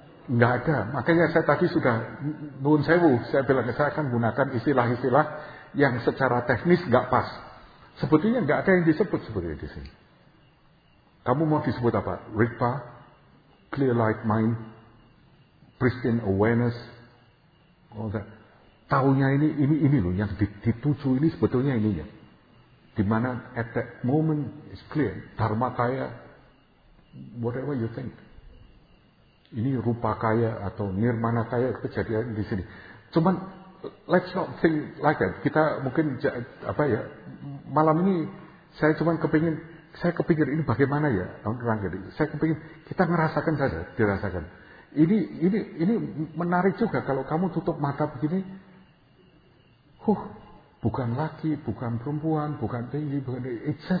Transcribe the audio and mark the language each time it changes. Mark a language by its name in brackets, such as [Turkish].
[Indonesian] Enggak ada. Makanya saya tadi sudah, [Javanese] nuun sewu, [Indonesian] saya bilang, saya akan gunakan istilah-istilah yang secara teknis enggak pas. Sebetulnya enggak ada yang disebut sebetulnya di sini. Kamu mau disebut apa? [English] Rigpa, clear light mind, pristine awareness, all that. [Indonesian] Taunya ini loh yang dituju ini sebetulnya ininya. Di mana [English] at that moment is clear, dharma kaya, whatever you think. [Indonesian] Ini rupa kaya atau nirmana kaya kejadian di sini. Cuman [English] let's not think like that. [Indonesian] Kita mungkin apa ya, malam ini saya cuman kepingin, saya kepikir ini bagaimana ya orang ini. Saya kepingin kita ngerasakan saja, dirasakan. Ini menarik juga kalau kamu tutup mata begini. Huh, bukan laki, bukan perempuan, bukan tinggi, bukan tinggi.